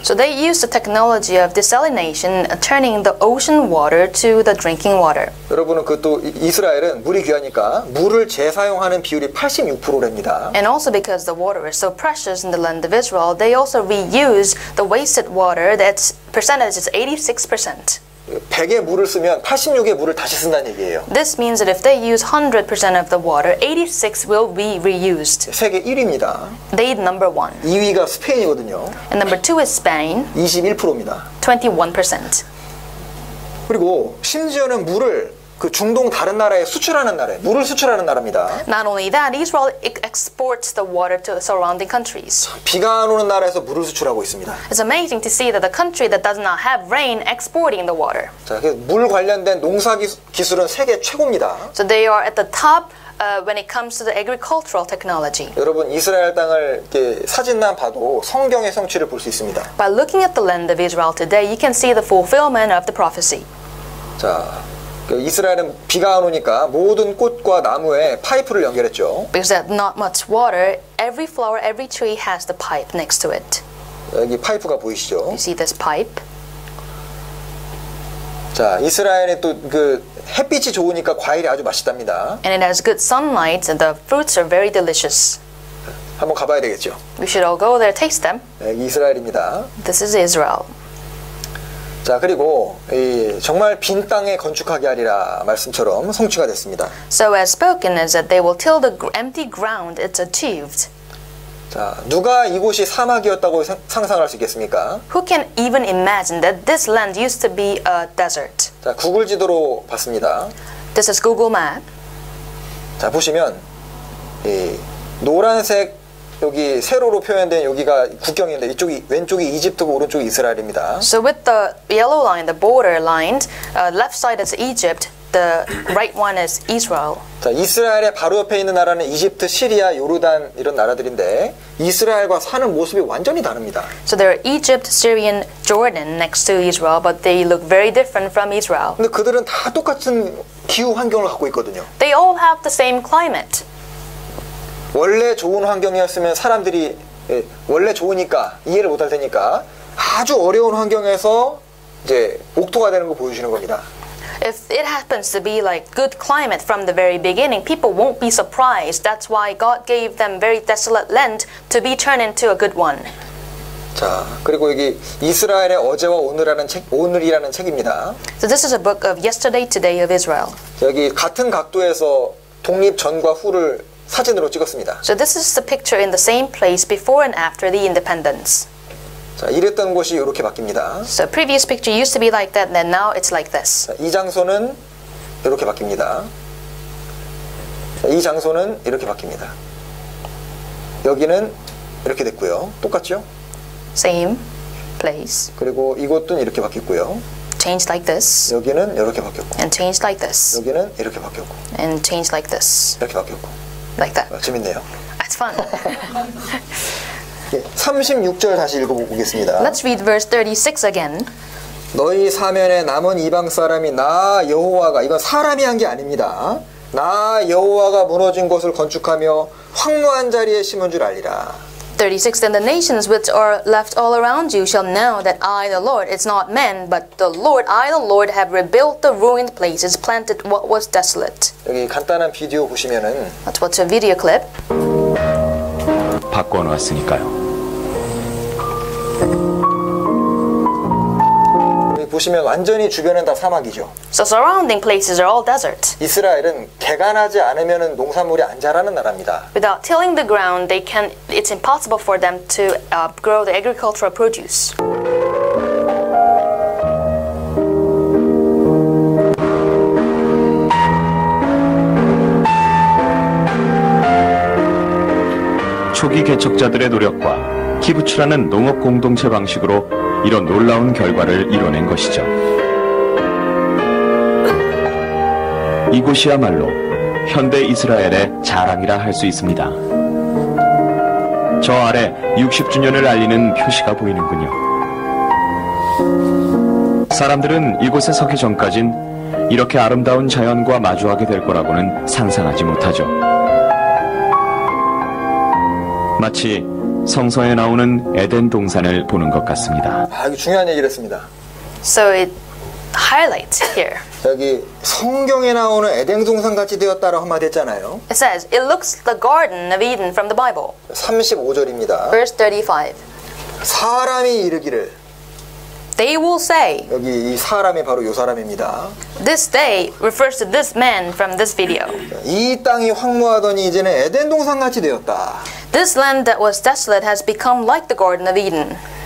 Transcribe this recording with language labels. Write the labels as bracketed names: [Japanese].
[English] So they used the technology of desalination, turning the ocean water to the drinking water. [Korean] 여러분은 그 또 이스라엘은 물이 귀하니까 물을 재사용하는 비율이 86%랍니다. [English] And also because the water is so precious in the land of Israel, they also reuse the wasted water. That percentage is 86%. [Korean] 100의 물을 쓰면 86의 물을 다시 쓴다는 얘기예요. [English] This means that if they use 100% of the water, 86 will be reused. [Korean] 세계 1위입니다. [English] They number 1. [Korean] 2위가 스페인이거든요. [English] And number 2 is Spain. [Korean] 21%입니다. [English] 21%. [Korean] 그리고 심지어는 물을 그 중동 다른 나라에 수출하는 나라에 물을 수출하는 나라입니다. [English] Not only that, Israel exports the water to surrounding countries. [Korean] 비가 안 오는 나라에서 물을 수출하고 있습니다. [English] It's amazing to see that the country that does not have rain exporting the water. [Korean] 자, 물 관련된 농사 기술은 세계 최고입니다. [English] So they are at the top when it comes to the agricultural technology. [Korean] 여러분 이스라엘 땅을 이렇게 사진만 봐도 성경의 성취를 볼 수 있습니다. [English] By looking at the land of Israel today, you can see the fulfillment of the prophecy. [Korean] 자. 이스라엘은 비가 안 오니까 모든 꽃과 나무에 파이프를 연결했죠. [English] Because there's not much water, every flower, every tree has the pipe next to it. [Korean] 여기 파이프가 보이시죠? [English] You see this pipe? [Korean] 자, 이스라엘에 또 그 햇빛이 좋으니까 과일이 아주 맛있답니다. [English] And it has good sunlight and the fruits are very delicious. [Korean] 한번 가봐야 되겠죠. [English] We should all go there, taste them. [Korean] 네, 이스라엘입니다. [English] This is Israel. [Korean] 자, 그리고 이 정말 빈 땅에 건축하게 하리라 말씀처럼 성취가 됐습니다. [English] So as spoken is that they will till the empty ground, it's achieved. [Korean] 자, 누가 이곳이 사막이었다고 상상할 수 있겠습니까? [English] Who can even imagine that this land used to be a desert? [Korean] 자, 구글 지도로 봤습니다. [English] This is Google Map. [Korean] 자, 보시면 이 노란색 여기 세로로 표현된 여기가 국경인데 이쪽이 왼쪽이 이집트고 오른쪽이 이스라엘입니다. [English] So with the yellow line, the border line, left side is Egypt, the right one is Israel. [Korean] 자, 이스라엘의 바로 옆에 있는 나라는 이집트, 시리아, 요르단 이런 나라들인데 이스라엘과 사는 모습이 완전히 다릅니다. [English] So there are Egypt, Syria, Jordan next to Israel, but they look very different from Israel. [Korean] 근데 그들은 다 똑같은 기후 환경을 갖고 있거든요. [English] They all have the same climate. [Korean] 원래 좋은 환경이었으면 사람들이 예, 원래 좋으니까 이해를 못할 테니까 아주 어려운 환경에서 이제 옥토가 되는 거 보여주는 겁니다. [English] If it happens to be like good climate from the very beginning, people won't be surprised. That's why God gave them very desolate land to be turned into a good one. [Korean] 자, 그리고 여기 이스라엘의 어제와 오늘이라는 책, 오늘이라는 책입니다. [English] So this is a book of yesterday, today of Israel. [Korean] 여기 같은 각도에서 독립 전과 후를 사진으로 찍었습니다. [English] So this is the picture in the same place before and after the independence. [Korean] 자, 이랬던 곳이 이렇게 바뀝니다. [English] So previous picture used to be like that, then now it's like this. [Korean] 자, 이 장소는 이렇게 바뀝니다. 자, 이 장소는 이렇게 바뀝니다. 여기는 이렇게 됐고요. 똑같죠? [English] Same place. [Korean] 그리고 이곳도 이렇게 바뀌고요. [English] Changed like this. [Korean] 여기는 이렇게 바뀌었고. [English] And changed like this. [Korean] 여기는 이렇게 바뀌었고. [English] And changed like this. [Korean] 이렇게 바뀌었고. [English] Like that. [Korean] 재밌네요. [English] It's fun. [Korean] 36절 다시 읽어보겠습니다. [English] Let's read verse 36 again. [Korean] 너희 사면에 남은 이방 사람이 나 여호와가 이건 사람이 한 게 아닙니다. 나 여호와가 무너진 곳을 건축하며 황무한 자리에 심은 줄 알리라. [English] 36 Then the nations which are left all around you shall know that I the Lord it's not men but the Lord I the Lord have rebuilt the ruined places planted what was desolate. [Korean] 여기 간단한 비디오 보시면은 [English] Let's watch a video clip. [Korean] 바꿔 놓았으니까요. 보시면 완전히 주변은 다 사막이죠. [English] So surrounding places are all desert. [Korean] 이스라엘은 개간하지 않으면은 농산물이 안 자라는 나라입니다. [English] Without tilling the ground, they can it's impossible for them to grow the agricultural produce. [Korean] 초기 개척자들의 노력과 키부츠라는 농업 공동체 방식으로 이런 놀라운 결과를 이뤄낸 것이죠. 이곳이야말로 현대 이스라엘의 자랑이라 할 수 있습니다. 저 아래 60주년을 알리는 표시가 보이는군요. 사람들은 이곳에 서기 전까진 이렇게 아름다운 자연과 마주하게 될 거라고는 상상하지 못하죠. 마치 성서에 나오는 에덴 동산을 보는 것 같습니다. 아, 이거 중요한 얘기를 했습니다. [English] So it highlights here. [Korean] 여기 성경에 나오는 에덴 동산 같이 되었다라고 한마디 했잖아요. [English] It says it looks the garden of Eden from the Bible. [Korean] 35절입니다. [English] Verse 35. [Korean] 사람이 이르기를 [English] They will say [Korean] 여기 이 사람이 바로 요 사람입니다. [English] This day refers to this man from this video. [Korean] 이 땅이 황무하더니 이제는 에덴 동산 같이 되었다. [English] This land that was desolate has become like the Garden of Eden.